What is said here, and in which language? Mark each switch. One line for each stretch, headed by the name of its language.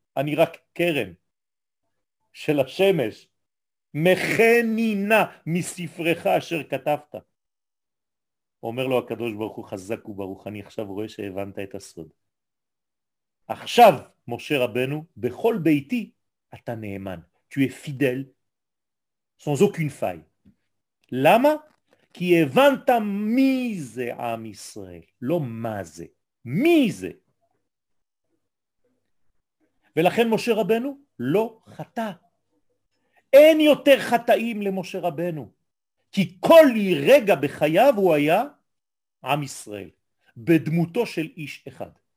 Hebrew: אני רק קרן של השמש. מכנינה מספרך אשר כתבת. אומר לו הקדוש ברוך הוא חזק וברוך, אני עכשיו רואה שהבנת את הסוד. עכשיו, משה רבנו, בכל ביתי, אתה נאמן.
French: Tu es fidèle, sans aucune faille.
Hebrew: למה? כי הבנת מי זה עם ישראל, לא מה זה, מי זה. ולכן משה רבנו לא חטא. אין יותר חטאים למשה רבנו. כי כל רגע בחייו הוא היה עם ישראל, בדמותו של איש אחד.